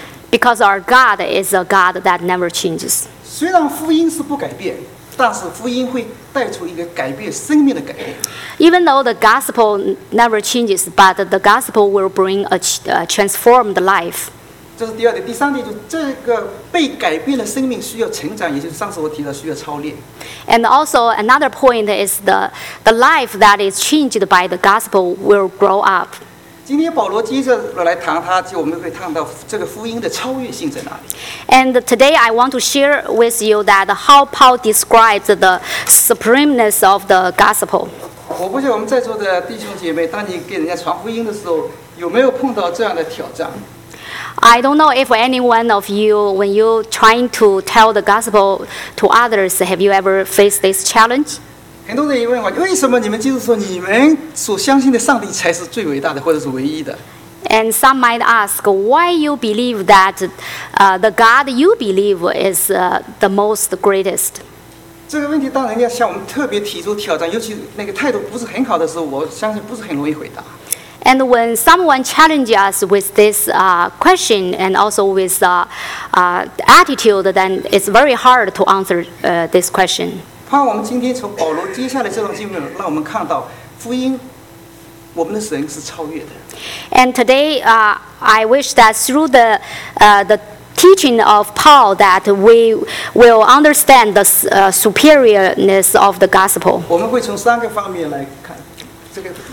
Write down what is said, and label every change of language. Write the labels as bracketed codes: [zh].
[en] Because our God is a God that never changes. [zh] 虽然福音是不改变，但是福音会带出一个改变生命的改变。 [en] Even though the gospel never changes, but the gospel will bring a transformed life. [zh] 这是第二点，第三点就是这个被改变的生命需要成长，也就是上次我提到需要操练。 [en] And also another point is the life that is changed by the gospel will grow up. [zh] 今天保罗接着来谈他，就我们会谈到这个福音的超越性在哪里。 [en] And today I want to share with you that how Paul describes the supremeness of the gospel. [zh] 我不知道我们在座的弟兄姐妹，当你给人家传福音的时候，有没有碰到这样的挑战？ [en] I don't know if any one of you, when you trying to tell the gospel to others, have you ever faced this challenge? [zh] 很多人问我，为什么你们基督徒你们所相信的上帝才是最伟大的，或者是唯一的？ [en] And some might ask why you believe that the God you believe is the most greatest. [zh] 这个问题当人家向我们特别提出挑战，尤其那个态度不是很好的时候，我相信不是很容易回答。 [en] And when someone challenges us with this question and also with attitude, then it's very hard to answer this question. [zh] 盼望我们今天从保罗接下来这段经文，让我们看到福音，我们的神是超越的。 [en] And today, I wish that through the teaching of Paul, that we will understand the superiorness of the gospel. [zh] 我们会从三个方面来看这个。